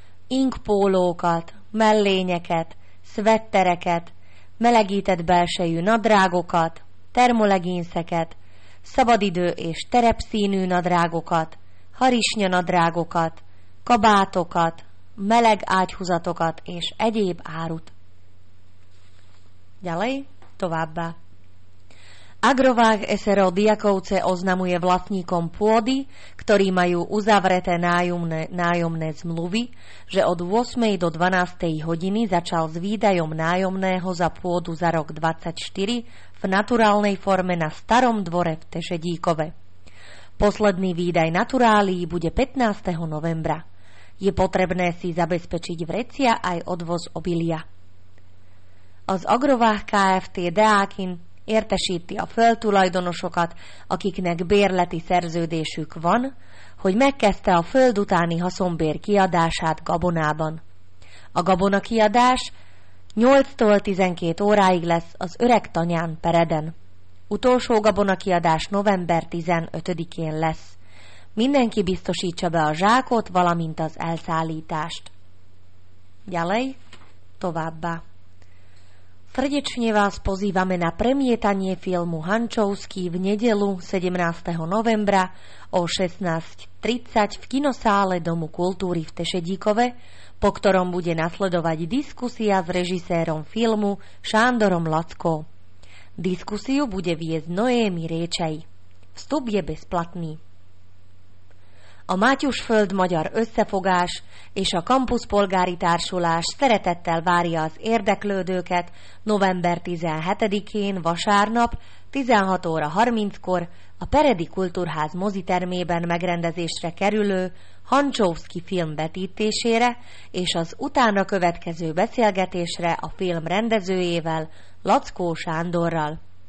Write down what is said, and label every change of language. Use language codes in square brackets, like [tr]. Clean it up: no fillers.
[hu] inkpólókat, mellényeket, szvettereket, melegített belsejű nadrágokat, termolegínszeket, szabadidő és terepszínű nadrágokat, harisnya nadrágokat, kabátokat, meleg ágyhúzatokat és egyéb árut. [sk] Ďalej, [hu] továbbá. [sk] Agrovág SRO Diakovce oznamuje vlastníkom pôdy, ktorí majú uzavreté nájomné zmluvy, že od 8. do 12. hodiny začal s výdajom nájomného za pôdu za rok 2024 v naturálnej forme na starom dvore v Tešedíkove. Posledný výdaj naturálií bude 15. novembra. Je potrebné si zabezpečiť vrecia aj odvoz obilia. [hu] Az Agrovág Kft. Deákin értesíti a földtulajdonosokat, akiknek bérleti szerződésük van, hogy megkezdte a föld utáni haszonbér kiadását gabonában. A gabona kiadás 8-tól 12 óráig lesz az öreg tanyán Pereden. Utolsó gabona kiadás november 15-én lesz. Mindenki biztosítsa be a zsákot, valamint az elszállítást. [sk] Ďalej, [hu] továbbá. [sk] Srdečne vás pozývame na premietanie filmu Hančovský v nedeľu 17. novembra o 16.30 v kinosále Domu kultúry v Tešedíkove, po ktorom bude nasledovať diskusia s režisérom filmu Šándorom Lackou. Diskusiu bude viesť Noémi Riečaj. Vstup je bezplatný. [hu] A Mátyusföld Magyar Összefogás és a Campus Polgári Társulás szeretettel várja az érdeklődőket november 17-én vasárnap 16 óra 30-kor a Peredi Kultúrház mozitermében megrendezésre kerülő Hančovský film vetítésére és az utána következő beszélgetésre a film rendezőjével, Lackó Sándorral.